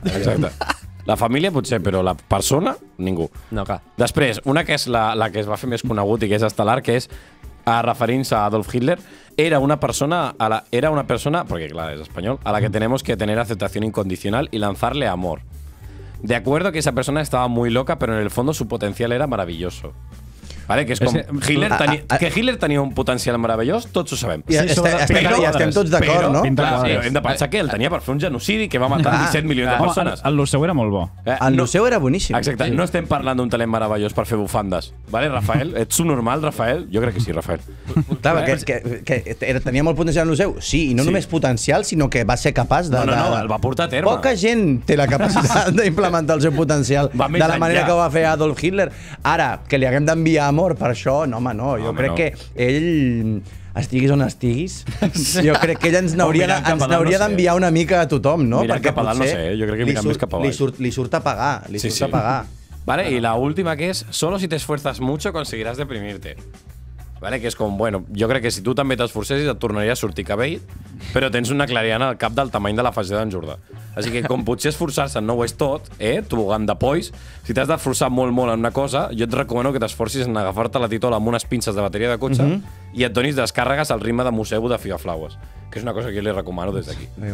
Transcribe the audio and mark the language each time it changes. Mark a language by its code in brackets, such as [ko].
[ca] Exacte. La família potser, però la persona, ningú. No, clar. Després, una que és la que es va fer més conegut i que és estel·lar, que és referint-se a Adolf Hitler, era una persona, perquè clar, és espanyol, [es] a la que tenemos que tener aceptación incondicional y lanzarle amor. De acuerdo que esa persona estaba muy loca, pero en el fondo su potencial era maravilloso. [ca] Vale, que és com Hitler, que Hitler tenia un potencial meravellós, tots ho sabem. Estem tots d'acord, no? Hem de pensar que el tenia per fer un genocidi que va matar 17 milions de persones. El Luceu era molt bo. El Luceu era boníssim. Exacte, no estem parlant d'un talent meravellós per fer bufandes. Vale, Rafael? Ets subnormal, Rafael? Jo crec que sí, Rafael. Clar, que tenia molt potencial el Luceu. Sí, i no només potencial, sinó que va ser capaç de... No, el va portar a terme. Poca gent té la capacitat d'implementar el seu potencial de la manera que ho va fer Adolf Hitler. Ara, que li haguem d'enviar amor per això, no, home, no. Jo crec que ell, estiguis on estiguis, jo crec que ell ens n'hauria d'enviar una mica a tothom, no? Mirant cap a dalt, no sé, jo crec que mirant més cap a baix. Li surt a pagar, li surt a pagar. Vale, i l'última que és, [es] solo si te esfuerzas mucho conseguirás deprimirte. [ca] Vale, que és com, bueno, jo crec que si tu també t'esforcessis et tornaria a sortir cabell, però tens una clariana al cap del tamany de la faceta d'en Jordà. Així que com potser esforçar-se no ho és tot, tobogan de polls, si t'has d'esforçar molt molt en una cosa, jo et recomano que t'esforcis en agafar-te la titola amb unes pinces de bateria de cotxe i et donis descàrregues al ritme de Museu de Fiaflaues, que és una cosa que jo li recomano des d'aquí.